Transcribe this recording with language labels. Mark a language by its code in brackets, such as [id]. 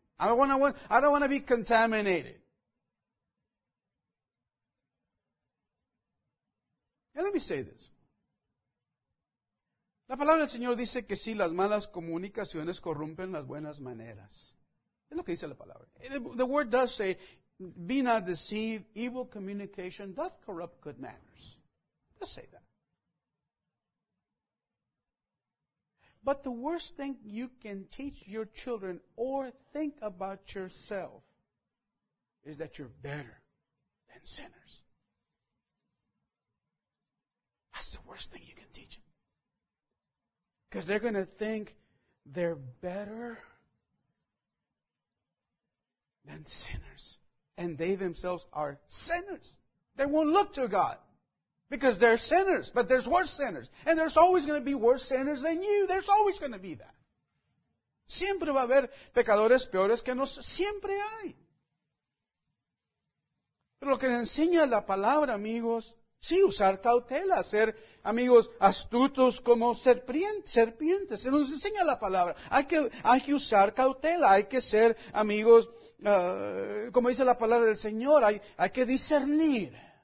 [en] I don't want to be contaminated. And let me say this. [es] La palabra del Señor dice que sí, las malas comunicaciones corrompen las buenas maneras. Es lo que dice la palabra. [en] The word does say, be not deceived, evil communication doth corrupt good manners. It does say that. But the worst thing you can teach your children or think about yourself is that you're better than sinners. That's the worst thing you can teach them. Because they're going to think they're better than sinners. And they themselves are sinners. They won't look to God because they're sinners. But there's worse sinners. And there's always going to be worse sinners than you. There's always going to be that. [es] Siempre va a haber pecadores peores que nosotros. Siempre hay. Pero lo que enseña la palabra, amigos, sí, usar cautela, ser, amigos, astutos como serpientes. Se nos enseña la palabra. Hay que usar cautela, hay que ser, amigos, como dice la palabra del Señor, hay que discernir.